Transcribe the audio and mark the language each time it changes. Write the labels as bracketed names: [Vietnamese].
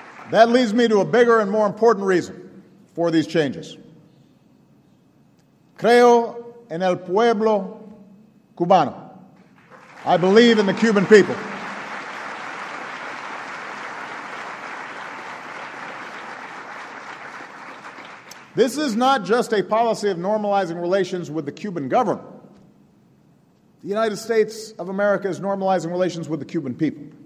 [English] That leads me to a bigger and more important reason for these changes. [Spanish] Creo en el pueblo cubano. [English] I believe in the Cuban people. This is not just a policy of normalizing relations with the Cuban government. The United States of America is normalizing relations with the Cuban people.